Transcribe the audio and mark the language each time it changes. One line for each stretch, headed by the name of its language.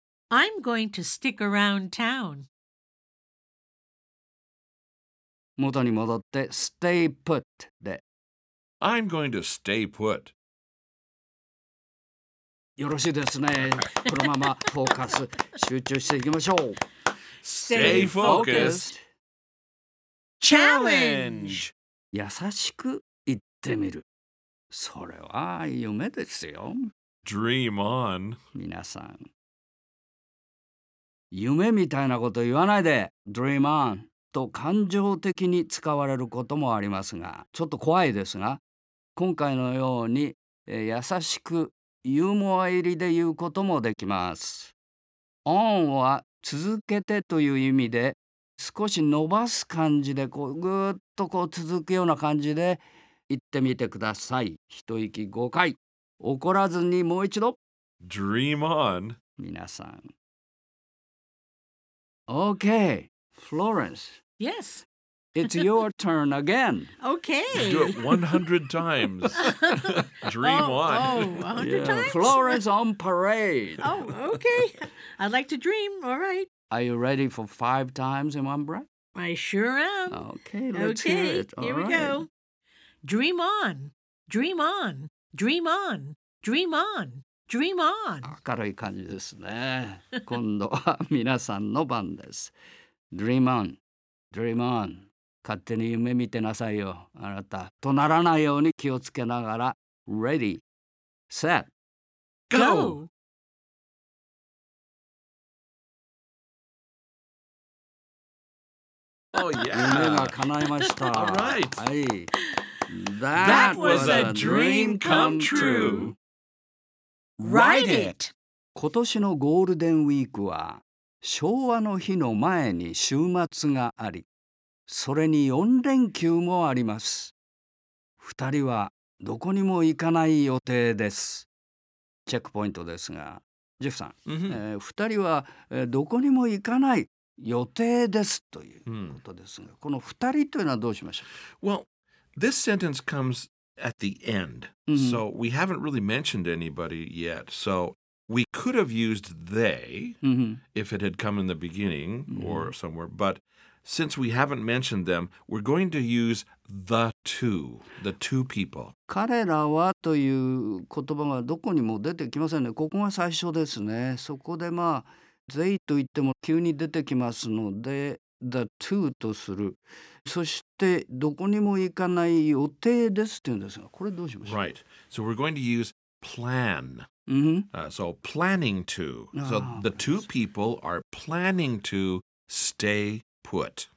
English: I'm going to stick around town.
Japanese: 元に戻って
English: stay put
Japanese: で。
English: I'm going to stay put.
Japanese: よろしいですね。このままフォーカス集中していきましょう。
English: Stay focused. Challenge!
Japanese: 優しく言っってみる。それは夢ですよ。
English: Dream on.
Japanese: 皆さん、夢みたいなこと言わないで。 Dream on と感情的に使われることもありますが、ちょっと怖いですが、今回のように優しくユーモア入りで言うこともできます。 on は続けてという意味で、少し伸ばす感じでこうぐっとこう続くような感じで言ってみてください。一息5回怒らずにもう一度
English: Dream on. 皆さん Okay, Florence. Yes. It's your turn again. Okay. You do it 100 times. Dream oh, on. Oh, 100 yeah. times? Florence on parade. Oh, okay. I'd like to dream. All right. Are you ready for 5 times in one breath? I sure am. Okay, let's okay, hear it. Okay, here right. we go. Dream on. Dream on. Dream on, dream on, dream on.
Japanese: 明るい感じですね。今度は皆さんの番です。
English: Dream on, dream on.
Japanese: 勝手に夢見てなさいよ、あなた。とならないように気をつけながら。
English: Ready, set, go! go! Oh, yeah.
Japanese: 夢が叶いました。
English: All right.
Japanese: はい。
English: That was a dream come true. Write it!
Japanese: 今年のゴールデンウィークは昭和の日の前に週末があり、それに4連休もあります。 2人はどこにも行かない予定です。チェックポイントですが、ジェフさん、 mm-hmm. 2人はどこにも行かない予定ですということですが、この2人というのはどうしましょう？
English: Well,This sentence comes at the end,、mm-hmm. so we haven't really mentioned anybody yet. So we could have used they、 mm-hmm. if it had come in the beginning、mm-hmm. or somewhere. But since we haven't mentioned them, we're going to use the two people.
Japanese: 彼らはという言葉がどこにも出てきませんね。ここが最初ですね。そこでまあ、they と言っても急に出てきますので、the two とする。そしてどこにも行かない予定ですって言うんですが、これどうしましょう。
English: Right. So we're going to use plan.、 Mm-hmm. So planning to. So the two people are planning to stay put.